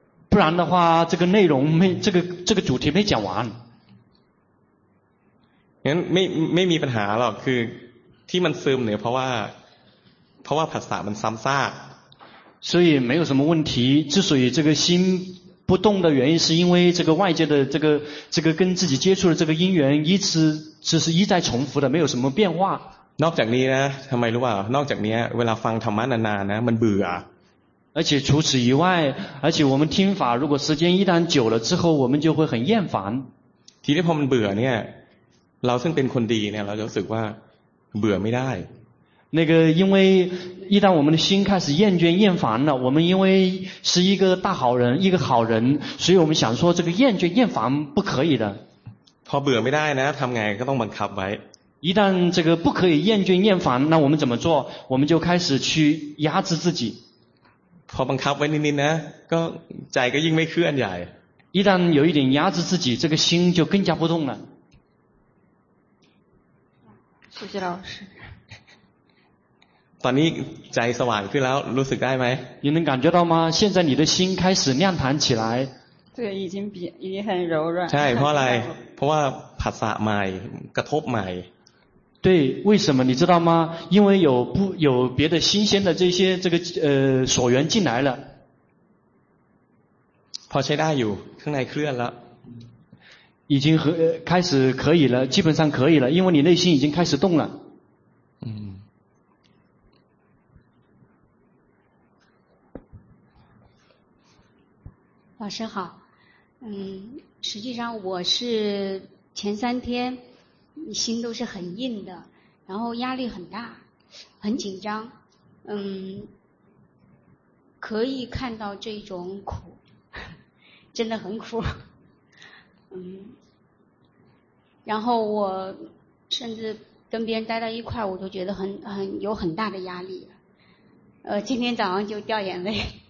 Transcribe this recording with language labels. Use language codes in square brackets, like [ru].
[zh] 不然的话这个内容没这个主题没讲完 [th] งั้นไม่มีปัญหาหรอกคือที่มันซึมเนี่ยเพราะว่าภาษามันซ้ำซาก [zh] 所以没有什么问题之所以这个心不动的原因是因为这个外界的这个跟自己接触的这个因缘一直只是一再重复的，没有什么变化。 [th] นอกจากนี้นะทำไมรู้ป่ะนอกจากนี้เวลาฟังธรรมะนานๆนะมันเบื่อ [zh] 而且除此以外，而且我们听法如果时间一旦久了之后，我们就会很厌烦。 [th] ทีนี้พอมันเบื่อเนี่ยเราซึ่งเป็นคนดีเนี่ยเราจะรู้สึกว่าเบื่อไม่ได้ [zh] 那个因为一旦我们的心开始厌倦厌烦了，我们因为是一个大好人一个好人，所以我们想说这个厌倦厌烦不可以的。 [th] พอเบื่อไม่ได้นะทำไงก็ต้องบังคับไว้ [zh] 一旦这个不可以厌倦厌烦，那我们怎么做？我们就开始去压制自己。 [th] พอบังคับไว้นิดๆนะก็ใจก็ยิ่งไม่เคลื่อนใหญ่ [zh] 一旦有一点压制自己，这个心就更加不动了。谢谢老师。 [th] ตอนนี้ใจสว่างขึ้นแล้วรู้สึกได้ไหม [zh] 你能感觉到吗现在你的心开始亮堂起来对已经比已经很柔软 [th] ใช่เพราะอะไรเพราะว่าผัสสะใหม่กระทบใหม่ [zh] 对为什么你知道吗因为有不有别的新鲜的这些这个所缘进来了 [th] พอใช้ได้อยู่ข้างในเคลื่อนแล้ว [zh] 已经和开始可以了基本上可以了因为你内心已经开始动了老师好，实际上我是前三天心都是很硬的，然后压力很大，很紧张，可以看到这种苦，真的很苦，然后我甚至跟别人待到一块，我都觉得很有很大的压力，今天早上就掉眼泪。